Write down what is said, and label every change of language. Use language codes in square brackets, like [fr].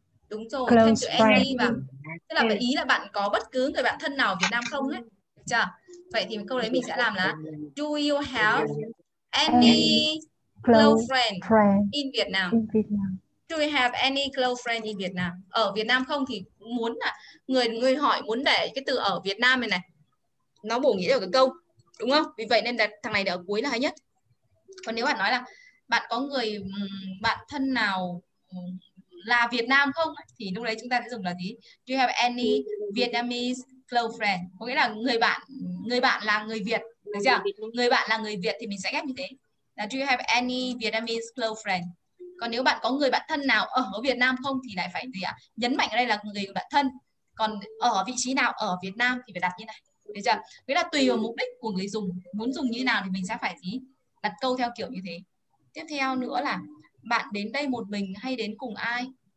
[vi] Đúng rồi, close thêm chữ friend. Any mà. Tức là ý là bạn có bất cứ người bạn thân nào ở Việt Nam không ấy. Được chưa? Vậy thì câu đấy mình sẽ làm là [en] do you have any close friend in Vietnam? In Vietnam. Do you have any close friend in Vietnam? [vi] Ở Việt Nam không thì muốn là người hỏi muốn để cái từ ở Việt Nam này nó bổ nghĩa được cái câu, đúng không? Vì vậy nên là thằng này để ở cuối là hay nhất. Còn nếu bạn nói là bạn có người bạn thân nào là Việt Nam không thì lúc đấy chúng ta sẽ dùng là gì? [en] Do you have any Vietnamese close friend? [vi] Có nghĩa là người bạn là người Việt, được chưa? Người bạn là người Việt thì mình sẽ ghép như thế. [en] Là do you have any Vietnamese close friend? [vi] Còn nếu bạn có người bạn thân nào ở Việt Nam không thì lại phải gì ạ? Nhấn mạnh ở đây là người bạn thân. còn ở vị trí nào ở Việt Nam thì phải đặt như này. Được chưa? Nghĩa là tùy vào mục đích của người dùng, muốn dùng như nào thì mình sẽ phải gì? Đặt câu theo kiểu như thế. Tiếp theo nữa là bạn đến đây một mình hay đến cùng ai?